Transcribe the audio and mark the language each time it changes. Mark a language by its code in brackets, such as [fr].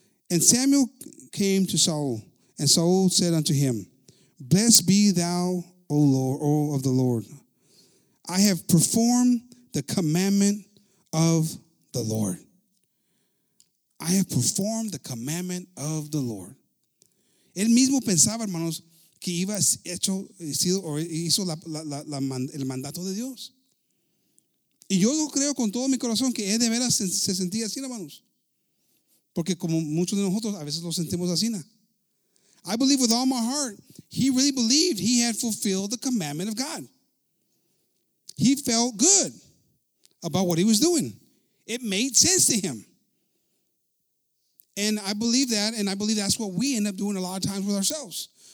[en] And Samuel came to Saul, and Saul said unto him, blessed be thou, O Lord, O of the Lord. I have performed the commandment of the Lord. I have performed the commandment of the Lord. [es] Él mismo pensaba, hermanos, que iba hecho, sido, o hizo el mandato de Dios. Y yo lo creo con todo mi corazón que él de veras se sentía así, hermanos. Porque como muchos de nosotros, a veces lo sentimos así. [en] I believe with all my heart, he really believed he had fulfilled the commandment of God. He felt good about what he was doing. It made sense to him. And I believe that, and I believe that's what we end up doing a lot of times with ourselves.